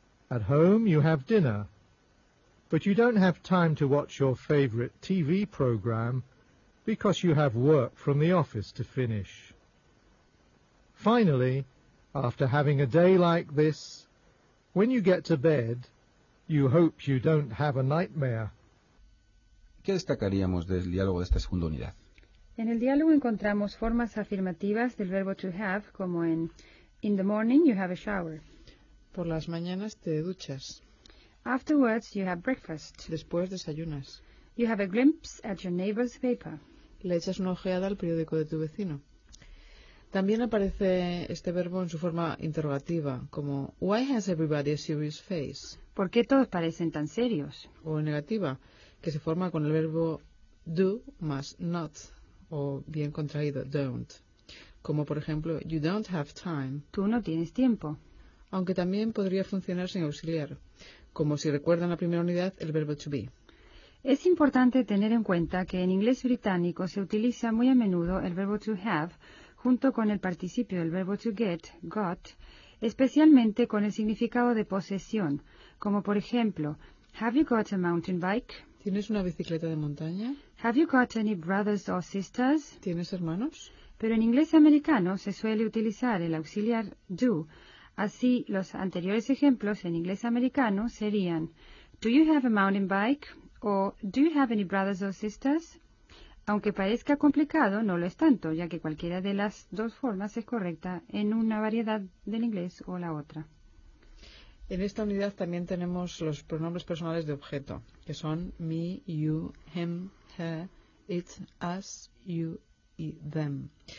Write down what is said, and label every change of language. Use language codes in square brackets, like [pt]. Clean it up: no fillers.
[en] At home, you have dinner. But you don't have time to watch your favorite TV program because you have work from the office to finish. Finally, after having a day like this, when you get to bed, you hope you don't have a nightmare. [es] ¿Qué destacaríamos del diálogo de esta segunda unidad? En el diálogo encontramos formas afirmativas del verbo to have, como [en] in the morning you have a shower. [es] Por las mañanas te duchas. [en] Afterwards, you have breakfast. [es] Después desayunas. [en] You have a glimpse at your neighbor's paper. [es] Le echas una ojeada al periódico de tu vecino. También aparece este verbo en su forma interrogativa, como [en] Why has everybody a serious face? [es] ¿Por qué todos parecen tan serios? O negativa, que se forma con el verbo do más not, o bien contraído, don't. Como por ejemplo, [en] you don't have time. [es] Tú no tienes tiempo. Aunque también podría funcionar sin auxiliar, como si recuerdan la primera unidad, el verbo to be. Es importante tener en cuenta que en inglés británico se utiliza muy a menudo el verbo to have junto con el participio del verbo to get, got, especialmente con el significado de posesión, como por ejemplo, [en] Have you got a mountain bike? [es] ¿Tienes una bicicleta de montaña? [en] Have you got any brothers or sisters? [es] ¿Tienes hermanos? Pero en inglés americano se suele utilizar el auxiliar do. Así, los anteriores ejemplos en inglés americano serían [en] Do you have a mountain bike? O Do you have any brothers or sisters? [es] Aunque parezca complicado, no lo es tanto, ya que cualquiera de las dos formas es correcta en una variedad del inglés o la otra. En esta unidad también tenemos los pronombres personales de objeto, que son me, you, him, her, it, us, you, y them.